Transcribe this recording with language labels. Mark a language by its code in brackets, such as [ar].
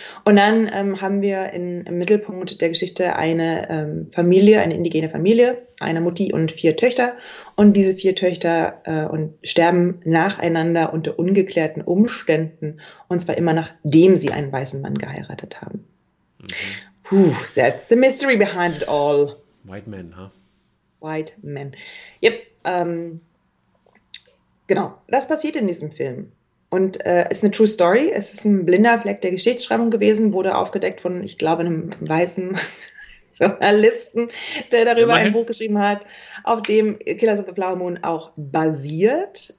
[de] Und dann haben wir im Mittelpunkt der Geschichte eine Familie, eine indigene Familie, eine Mutti und 4 Töchter. Und diese 4 Töchter sterben nacheinander unter ungeklärten Umständen. Und zwar immer nachdem sie einen weißen Mann geheiratet haben. [en] Puh, that's the mystery behind it all. White man, ha? White men. Yep. [de] Genau, das passiert in diesem Film. Und es ist eine True Story, es ist ein blinder Fleck der Geschichtsschreibung gewesen, wurde aufgedeckt von, ich glaube, einem weißen Journalisten, der darüber ein Immerhin. Buch geschrieben hat, auf dem Killers of the Flower Moon auch basiert.